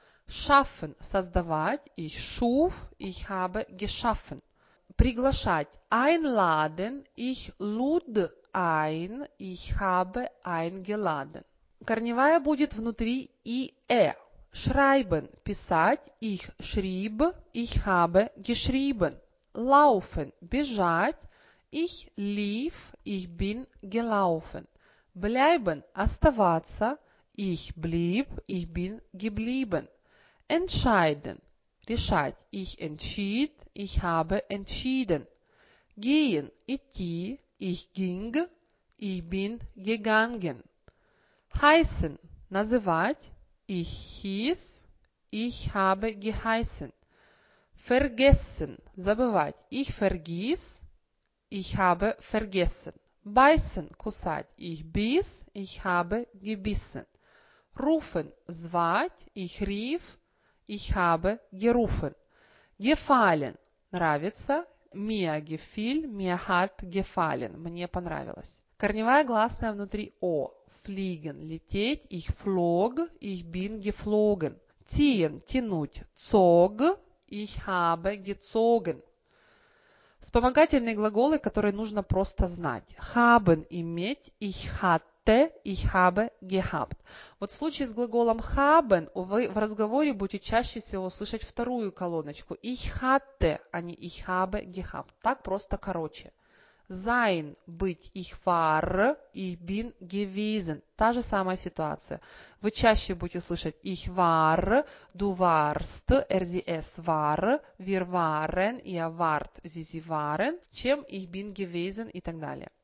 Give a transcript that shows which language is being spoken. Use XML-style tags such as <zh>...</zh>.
<de>Schaffen – создавать, ich schuf, ich habe geschaffen. Приглашать – einladen, ich lud ein, ich habe eingeladen.</de> <ru>Корневая будет внутри и «э».</ru> <de>Schreiben – писать, ich schrieb, ich habe geschrieben. Laufen – бежать, Ich lief, ich bin gelaufen. Bleiben, оставаться. Ich blieb, ich bin geblieben. Entscheiden, решать. Ich entschied, ich habe entschieden. Gehen, идти. Ich ging, ich bin gegangen. Heißen, называть. Ich hieß, ich habe geheißen. Vergessen, забывать. Ich vergieß, ich habe vergessen. Beißen, кусать. Ich biss, ich habe gebissen. Rufen, звать. Ich rief, ich habe gerufen. Gefallen, нравится. Mir gefiel, mir hat gefallen.</de> <ru>Мне понравилось. Корневая гласная внутри о. Fliegen, лететь.</ru> <de>Ich flog, ich bin geflogen. Ziehen, тянуть. Zog, ich habe gezogen.</de> <ru>Вспомогательные глаголы, которые нужно просто знать. Haben, иметь.</ru> <de>Ich hatte, ich habe gehabt.</de> <ru>Вот в случае с глаголом haben вы в разговоре будете чаще всего слышать вторую колоночку.</ru> <de>Ich hatte,</de> <ru>а не</ru> <de>ich habe gehabt.</de> <ru>Так просто короче.</ru> <de>Sein, быть. Ich war, ich bin gewesen.</de> <ru>Та же самая ситуация. Вы чаще будете слышать</ru> <de>ich war, du warst, er sie es war, wir waren, ihr wart, sie sie waren,</de> <ru>чем</ru> <de>ich bin gewesen</de> <ru>и так далее.</ru>